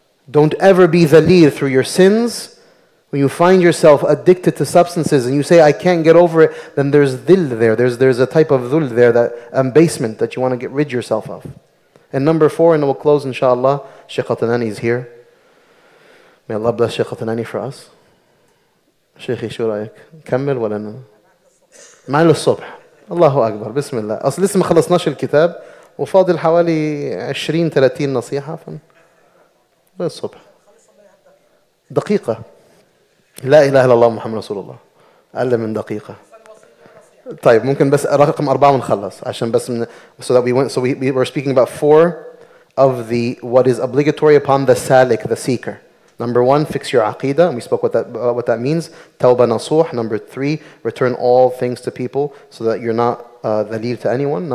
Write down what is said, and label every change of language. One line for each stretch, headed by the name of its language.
English: Don't ever be zaleel through your sins. When you find yourself addicted to substances and you say, I can't get over it, then there's dhil there. There's a type of dhul there, that abasement that you want to get rid yourself of. And number four, and we'll close inshallah, Sheikh Qatanani is here. May Allah bless Sheikh Qatanani for us. Sheikh,
Arabic: شو رأيك? كمل ولا أنا? مع الصبح. الله أكبر. بسم الله. أصل لسه ما خلصناش الكتاب وفاضل حوالي 20-30 نصيحة. الصبح. دقيقة. لا إله إلا الله محمد رسول الله. أقل من دقيقة. طيب ممكن بس رقم أربعة ونخلص عشان بس من,
English: so that we went, so we were speaking about four of the what is obligatory upon the salik, the seeker. Number one, fix your aqidah. We spoke what that means. Tawbah nasuh. Number three, return all things to people so that you're not dhalil to anyone.